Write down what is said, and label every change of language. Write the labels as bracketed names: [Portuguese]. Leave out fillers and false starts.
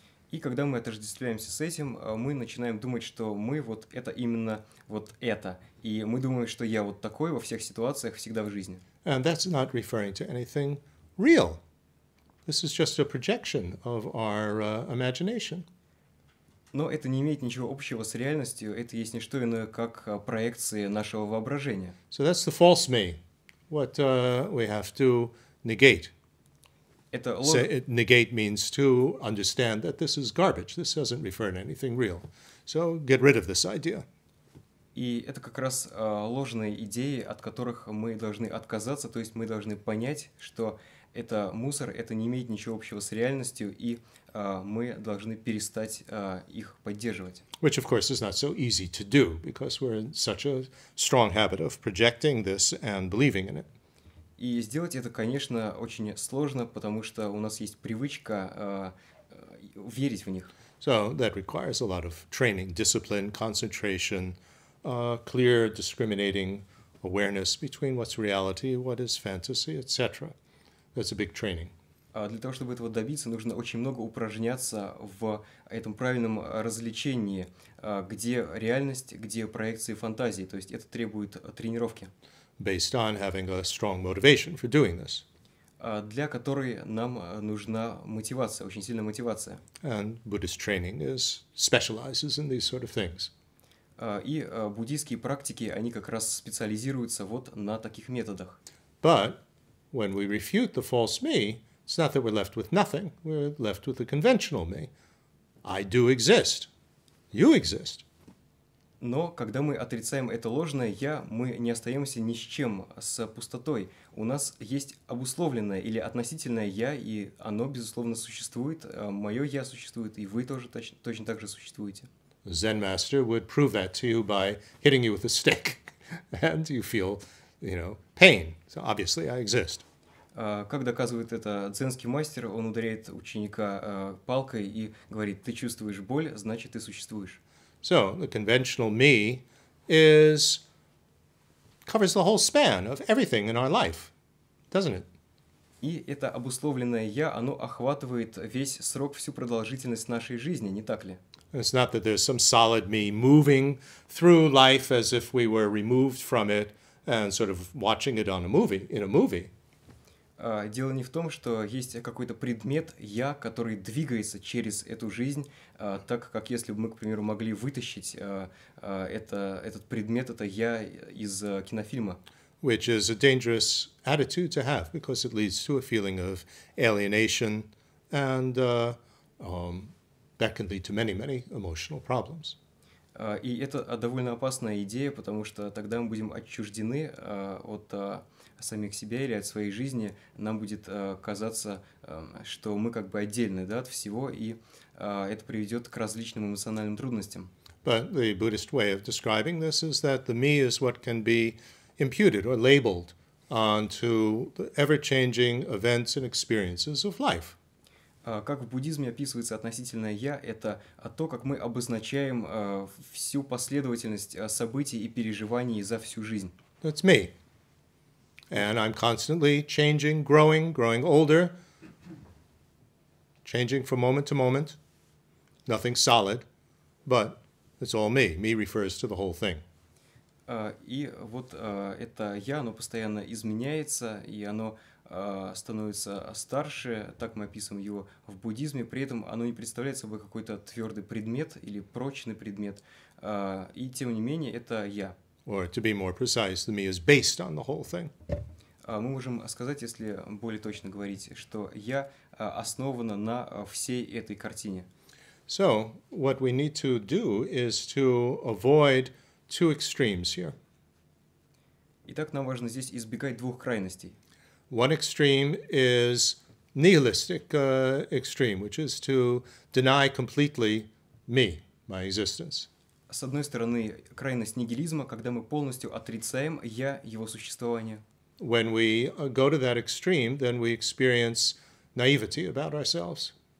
[Russian] И когда мы отождествляемся с этим, мы начинаем думать, что мы вот это именно вот это. И мы думаем, что я вот такой во всех ситуациях, всегда в жизни. [English] And that's not referring to anything real. This is just a projection of our imagination. [Russian] Но это не имеет ничего общего с реальностью, это есть не что иное, как проекции нашего воображения. [English] So that's the false me, what we have to negate. [Russian] Это [English] negate means to understand that this is garbage, this doesn't refer to anything real. So get rid of this idea. [Russian] И это как раз ложные идеи, от которых мы должны отказаться, то есть мы должны понять, что это мусор, это не имеет ничего общего с реальностью, и мы должны перестать их поддерживать. [English] Which, of course, is not so easy to do, because we're in such a strong habit of projecting this and believing in it. [Russian] И сделать это, конечно, очень сложно, потому что у нас есть привычка верить в них. [English] So that requires a lot of training, discipline, concentration, clear discriminating awareness between what's reality, what is fantasy, etc. That's a big training. [Russian] Для того, чтобы этого добиться, нужно очень много упражняться в этом правильном различении, где реальность, где проекции фантазии. То есть это требует тренировки. [English] Based on having a strong motivation for doing this. [Russian] Для которой нам нужна мотивация, очень сильная мотивация. [English] And Buddhist training specializes in these sort of things. [Russian] И буддийские практики, они как раз специализируются вот на таких методах. [English] But when we refute the false me, it's not that we're left with nothing, we're left with the conventional me. I do exist. You exist. [Russian] Но когда мы отрицаем это ложное «я», мы не остаемся ни с чем, с пустотой. У нас есть обусловленное или относительное «я», и оно, безусловно, существует. Мое «я» существует, и вы тоже точно так же существуете. [English] Zen master would prove that to you by hitting you with a stick, and you feel, you know, pain. So obviously I exist. [Russian] Как доказывает это дзенский мастер, он ударяет ученика палкой и говорит, ты чувствуешь боль, значит, ты существуешь. [English] So, the conventional me covers the whole span of everything in our life, doesn't it? [Russian] И это обусловленное я, оно охватывает весь срок, всю продолжительность нашей жизни, не так ли? [English] It's not that there's some solid me moving through life as if we were removed from it and sort of watching it in a movie. [Russian] Дело не в том, что есть какой-то предмет «я», который двигается через эту жизнь, так как если бы мы, к примеру, могли вытащить этот предмет, это «я» из кинофильма. [English] Which is a dangerous attitude to have, because it leads to a feeling of alienation and that can lead to many emotional problems. [Russian] И это довольно опасная идея, потому что тогда мы будем отчуждены от самих себя или от своей жизни, нам будет казаться, что мы как бы отдельны, да, от всего, и это приведет к различным эмоциональным трудностям. [English] But the Buddhist way of describing this is that the me is what can be imputed or labeled onto the ever-changing events and experiences of life. [Russian] Как в буддизме описывается относительное «я», это то, как мы обозначаем всю последовательность событий и переживаний за всю жизнь. [English] That's me. And I'm constantly changing, growing older, changing from moment to moment, nothing solid, but it's all me. Me refers to the whole thing. [Russian] И вот это «я», оно постоянно изменяется, и оно становится старше, так мы описываем его в буддизме, при этом оно не представляет собой какой-то твердый предмет или прочный предмет, и тем не менее это «я». [English] Or to be more precise, the me is based on the whole thing. [Russian] Мы можем сказать, если более точно говорить, что «я» основано на всей этой картине. [English] So, what we need to do is to avoid two extremes here. [Russian] Итак, нам важно здесь избегать двух крайностей. [English] One extreme is nihilistic extreme, which is to deny completely me, my existence. [Russian] С одной стороны, крайность нигилизма, когда мы полностью отрицаем «я», его существование. [English] When we go to that extreme, then we experience naivety about ourselves.